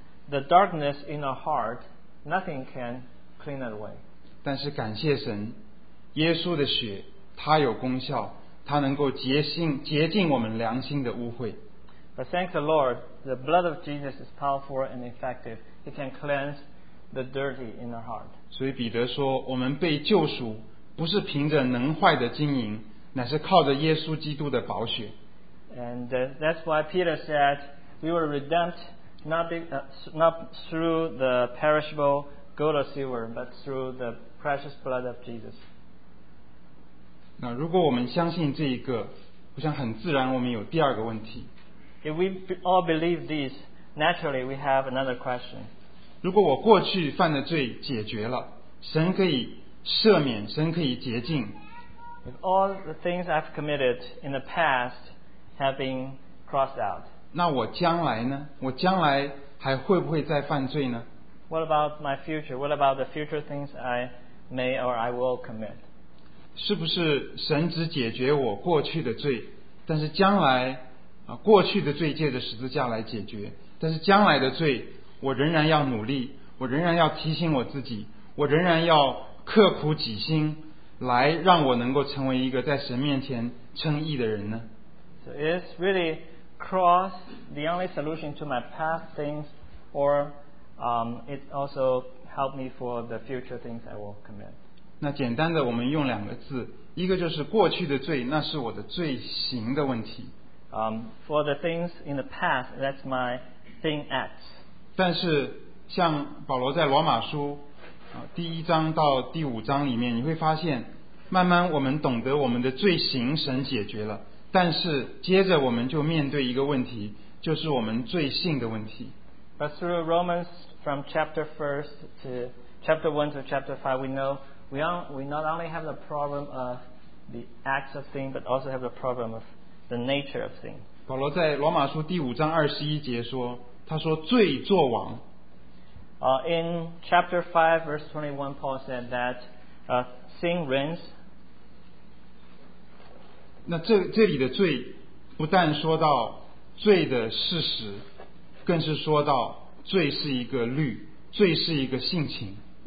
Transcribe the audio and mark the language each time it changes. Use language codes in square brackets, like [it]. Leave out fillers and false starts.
[en] The darkness in our heart, nothing can clean it away. [zh] 但是感谢神，耶稣的血，它有功效，它能够洁净我们良心的污秽。 [en] But thank the Lord, the blood of Jesus is powerful and effective. It can cleanse the dirty in our heart. [zh] 所以彼得说，我们被救赎，不是凭着能坏的金银，乃是靠着耶稣基督的宝血。 [en] And that's why Peter said, we were redeemed. Not through the perishable gold or silver, but through the precious blood of Jesus. [zh] 那如果我们相信这一个，我想很自然，我们有第二个问题。 [en] If we all believe this, naturally we have another question. [zh] 如果我过去犯的罪解决了，神可以赦免，神可以洁净。 [en] If all the things I've committed in the past have been crossed out. [zh] 那我将来呢？我将来还会不会再犯罪呢 [en] ？What about my future? What about the future things I may or I will commit? [zh] 是不是神只解决我过去的罪，但是将来啊，过去的罪借着十字架来解决，但是将来的罪，我仍然要努力，我仍然要提醒我自己，我仍然要刻苦己心，来让我能够成为一个在神面前称义的人呢 [en] ？So it's really cross the only solution to my past things, or it also helped me for the future things I will commit. [zh] 那简单的我们用两个字，一个就是过去的罪，那是我的罪行的问题。 [en] For the things in the past, that's my sin acts. [zh] 但是像保罗在罗马书第一章到第五章里面，你会发现慢慢我们懂得我们的罪行神解决了，但是接着我们就面对一个问题，就是我们罪性的问题。 [en] But through Romans from chapter 1 to chapter 1 to chapter 5, we know we not only have the problem of the acts of sin, but also have the problem of the nature of sin. [zh] 保罗在罗马书第五章二十一节说，他说罪作王。 [en] In chapter 5 verse 21, Paul said that sin reigns. [zh] 那 这里的罪不但说到罪的事实，更是说到罪是一个律，罪是一个性情。